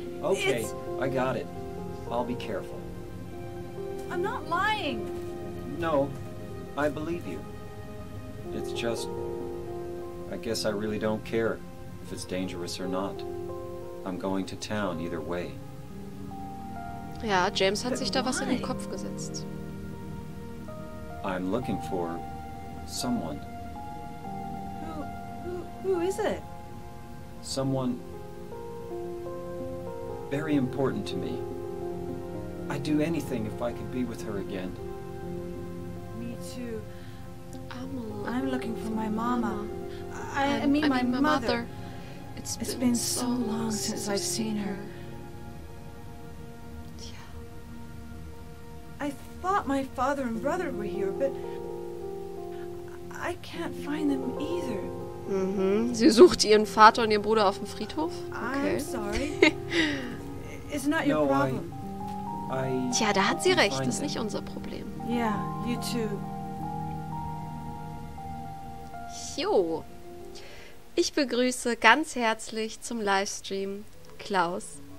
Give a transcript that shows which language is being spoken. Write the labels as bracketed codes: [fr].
[en] Okay, it's... I got it. I'll be careful. I'm not lying. No, I believe you. It's just... I guess I really don't care if it's dangerous or not. I'm going to town either way. [de] Ja, James hat sich da was in den Kopf gesetzt. [en] I'm looking for someone. Who is it? Someone very important to me. I'd do anything if I could be with her again. Me too. I'm looking for my mama. I mean my mother. It's been so long since I've seen her. Yeah. I thought my father and brother were here, but I can't find them either. Mhm. [de] Sie sucht ihren Vater und ihren Bruder auf dem Friedhof? [en] Okay. I'm sorry. It's not your problem. [de] Tja, da hat sie recht, das ist nicht unser Problem. [en] Ja, you too. [de] Jo. Ich begrüße ganz herzlich zum Livestream Klaus.